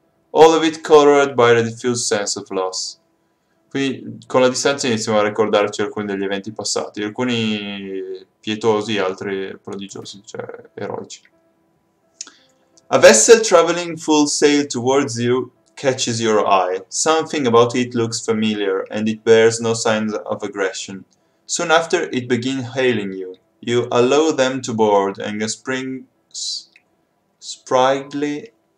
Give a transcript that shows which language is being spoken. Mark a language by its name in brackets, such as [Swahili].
[English] All of it colored by the diffused sense of loss. [Italian] Qui con la distanza iniziamo a ricordarci alcuni degli eventi passati, alcuni pietosi, altri prodigiosi, cioè eroici. [English] A vessel traveling full sail towards you catches your eye. Something about it looks familiar and it bears no signs of aggression. Soon after, it begins hailing you. You allow them to board and a spring spryly.